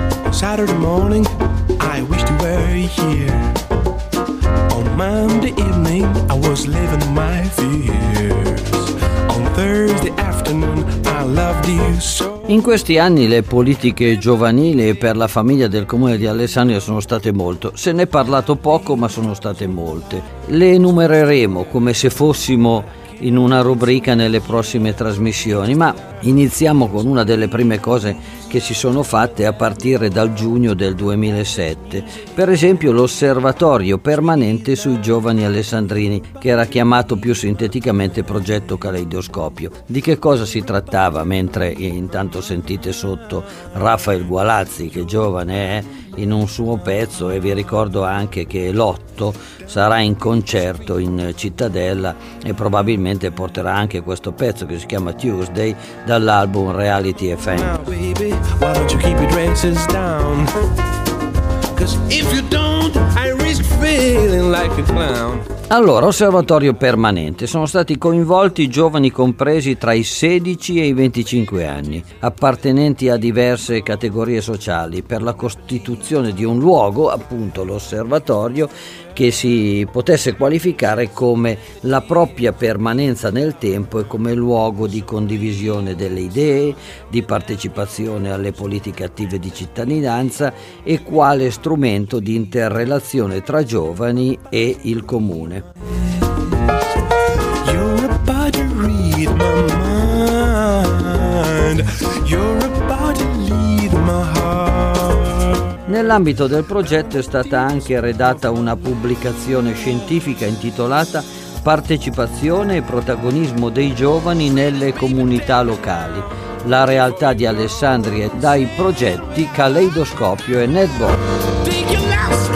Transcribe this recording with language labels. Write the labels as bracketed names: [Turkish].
[English] Saturday morning, I wish to were here. On Monday evening, I was living my fears. On Thursday afternoon, I loved you so. [Italian] In questi anni le politiche giovanili per la famiglia del comune di Alessandria sono state molto, se ne è parlato poco, ma sono state molte. Le enumereremo come se fossimo in una rubrica nelle prossime trasmissioni, ma iniziamo con una delle prime cose che si sono fatte a partire dal giugno del 2007. Per esempio l'osservatorio permanente sui giovani alessandrini, che era chiamato più sinteticamente progetto Caleidoscopio. Di che cosa si trattava? Mentre intanto sentite sotto Rafael Gualazzi, che giovane è, in un suo pezzo, e vi ricordo anche che Lotto sarà in concerto in Cittadella e probabilmente porterà anche questo pezzo che si chiama Tuesday dall'album Reality FM. [English] Why don't you keep your dresses down? 'Cause if you don't, I risk feeling like a clown. [Italian] Allora, osservatorio permanente. Sono stati coinvolti giovani compresi tra i 16 e i 25 anni, appartenenti a diverse categorie sociali, per la costituzione di un luogo, appunto l'osservatorio, che si potesse qualificare come la propria permanenza nel tempo e come luogo di condivisione delle idee, di partecipazione alle politiche attive di cittadinanza e quale strumento di interrelazione tra giovani e il comune. [English] You're about to read my mind. You're about to lead my heart. [Italian] Nell'ambito del progetto è stata anche redatta una pubblicazione scientifica intitolata Partecipazione e protagonismo dei giovani nelle comunità locali. La realtà di Alessandria dai progetti Caleidoscopio e Network.